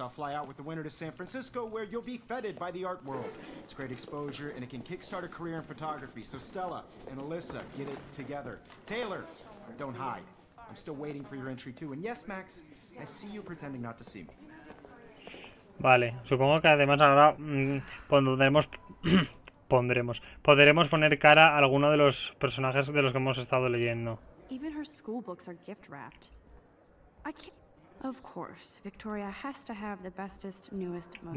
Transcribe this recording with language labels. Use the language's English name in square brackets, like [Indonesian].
[English] I'll fly out with the winner to San Francisco, where you'll be feted by the art world. It's great exposure and it can kickstart a career in photography. So Stella and Alyssa, get it together. Taylor, don't hide. I'm still waiting for your entry too. And yes, Max, I see you pretending not to see me. [Spanish] Vale, supongo que además ahora podremos poner cara a alguno de los personajes de los que hemos estado leyendo. [English] Even her school books are gift wrapped. I can't. Of course, Victoria has to have the bestest, newest, most